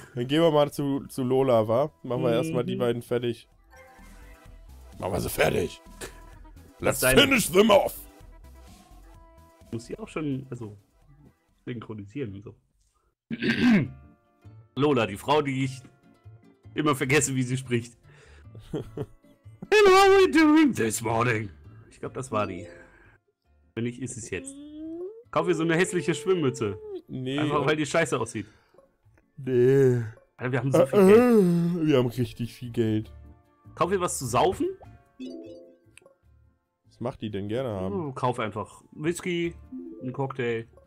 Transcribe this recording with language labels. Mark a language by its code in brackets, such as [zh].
[de] Dann gehen wir mal zu Lola, wa? Machen wir erstmal die beiden fertig. Machen wir sie fertig. [en] Let's finish them off! [de] Muss sie auch schon, also, synchronisieren und so. Lola, die Frau, die ich immer vergesse, wie sie spricht. [en] And what are we doing this morning? [de] Ich glaube, das war die. Wenn nicht, ist es jetzt. Kauf ihr so eine hässliche Schwimmmütze. Nee. Einfach, weil die scheiße aussieht. Nee. Alter, wir haben so viel Geld. Wir haben richtig viel Geld. Kauf ihr was zu saufen? Was macht die denn gerne haben? Kauf einfach Whisky, ein Cocktail.